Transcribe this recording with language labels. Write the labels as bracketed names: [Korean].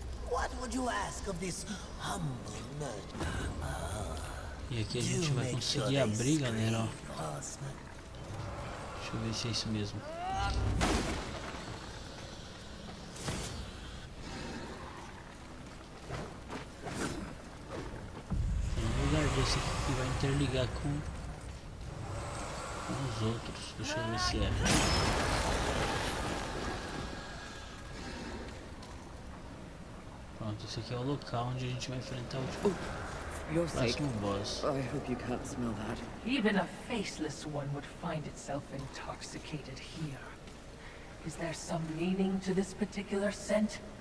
[English] What would you ask of this humble merchant? [Portuguese] E aqui a gente vai conseguir abrir, galera, ó. Deixa eu ver se é isso mesmo. Tem um lugar desse aqui que vai interligar com os outros. Deixa eu ver se é. Pronto, esse aqui é o local onde a gente vai enfrentar o tipo. [English] Your sake. Boss. I hope you can't smell that. Even a faceless one would find itself intoxicated here. Is there some meaning to this particular scent?